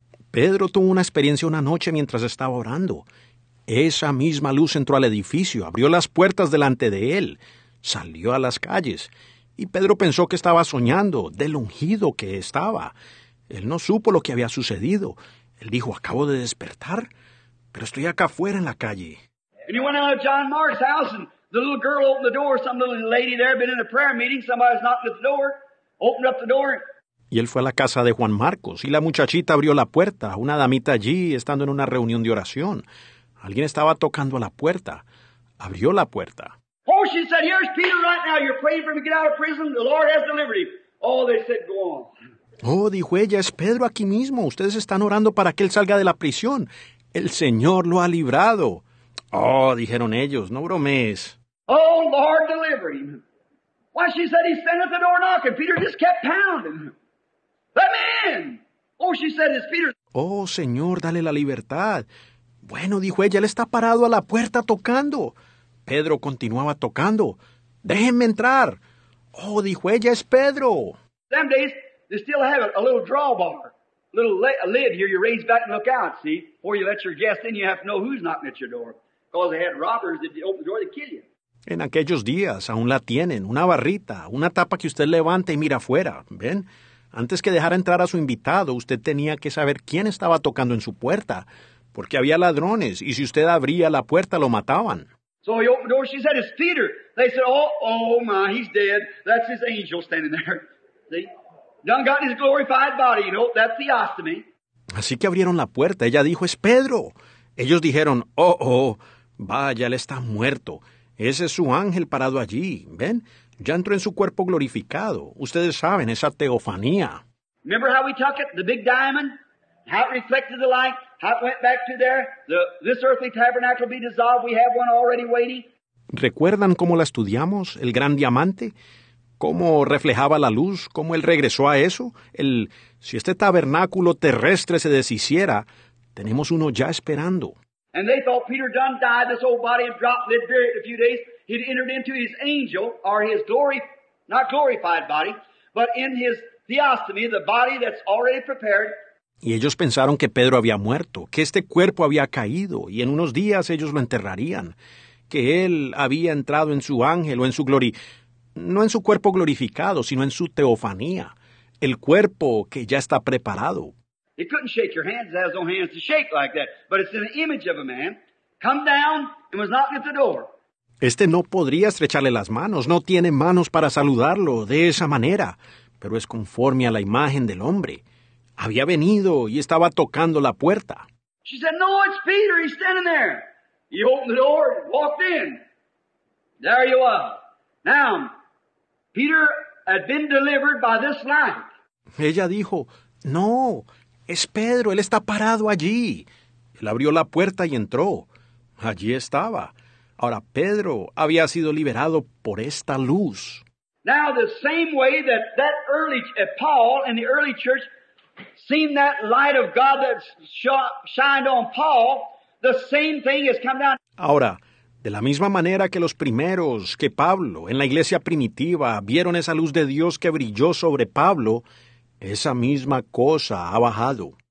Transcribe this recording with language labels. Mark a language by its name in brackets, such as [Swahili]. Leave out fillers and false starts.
[Spanish] Pedro tuvo una experiencia una noche mientras estaba orando. Esa misma luz entró al edificio, abrió las puertas delante de él, salió a las calles, y Pedro pensó que estaba soñando, del ungido que estaba. Él no supo lo que había sucedido. Él dijo, acabo de despertar, pero estoy acá afuera en la calle. [English] And he went out of John Mark's house, and the little girl opened the door, some little lady there had been in a prayer meeting, somebody was knocking at the door, opened up the door. [Spanish] Y él fue a la casa de Juan Marcos, y la muchachita abrió la puerta, una damita allí, estando en una reunión de oración. Alguien estaba tocando a la puerta. Abrió la puerta. [English] Oh, she said, here's Peter right now. You're praying for me to get out of prison. The Lord has delivered him. Oh, they said, go on. [Spanish] Oh, dijo ella, es Pedro aquí mismo. Ustedes están orando para que él salga de la prisión. El Señor lo ha librado. Oh, dijeron ellos, no bromees. [English] Oh, Lord, deliver him. Why, she said, he's standing at the door knocking. Peter just kept pounding. Let me in. Oh, she said, it's Peter. [Spanish] Oh, Señor, dale la libertad. Bueno, dijo ella, él está parado a la puerta tocando. Pedro continuaba tocando. Déjenme entrar. Oh, dijo ella, es Pedro. [English] Them days, they still have a little drawbar. A little lid here, you raise back and look out, see? Before you let your guest in, you have to know who's knocking at your door. Because they had robbers that open the door, they kill you. [Spanish] En aquellos días, aún la tienen, una barrita, una tapa que usted levanta y mira afuera, ¿ven? Antes que dejara entrar a su invitado, usted tenía que saber quién estaba tocando en su puerta. Porque había ladrones, y si usted abría la puerta, lo mataban. [English] So he opened the door, she said, it's Peter. They said, oh my, he's dead. That's his angel standing there. See? Done got his glorified body, you know, that's the ostomy. [Spanish] Así que abrieron la puerta. Ella dijo, es Pedro. Ellos dijeron, vaya, él está muerto. Ese es su ángel parado allí, ¿ven? Ya entró en su cuerpo glorificado. Ustedes saben, esa teofanía. [English] Remember how we took it, the big diamond? How it reflected the light? How it went back to there? This earthly tabernacle will be dissolved. We have one already waiting. [Spanish] ¿Recuerdan cómo la estudiamos, el gran diamante? ¿Cómo reflejaba la luz? ¿Cómo él regresó a eso? Si este tabernáculo terrestre se deshiciera, tenemos uno ya esperando. [English] And they thought Peter done died. This old body had dropped, lived buried in a few days. He'd entered into his angel, or his glory, not glorified body, but in his theostomy, the body that's already prepared. [Spanish] Y ellos pensaron que Pedro había muerto, que este cuerpo había caído, y en unos días ellos lo enterrarían, que él había entrado en su ángel o en su gloria, no en su cuerpo glorificado, sino en su teofanía, el cuerpo que ya está preparado. [English] He couldn't shake your hands, has no hands to shake like that, but it's in the image of a man, come down and was knocking at the door. [Spanish] Este no podría estrecharle las manos. No tiene manos para saludarlo de esa manera. Pero es conforme a la imagen del hombre. Había venido y estaba tocando la puerta. [English] She said, no, it's Peter. He's standing there. He opened the door and walked in. There you are. Now, Peter had been delivered by this light. [Spanish] Ella dijo, no, es Pedro. Él está parado allí. Él abrió la puerta y entró. Allí estaba. Ahora, Pedro había sido liberado por esta luz. [English] Now, the same way that that early, Paul in the early church seen that light of God that shined on Paul, the same thing has come down. [Spanish] Ahora, de la misma manera que los primeros, que Pablo, en la iglesia primitiva, vieron esa luz de Dios que brilló sobre Pablo, esa misma cosa ha bajado.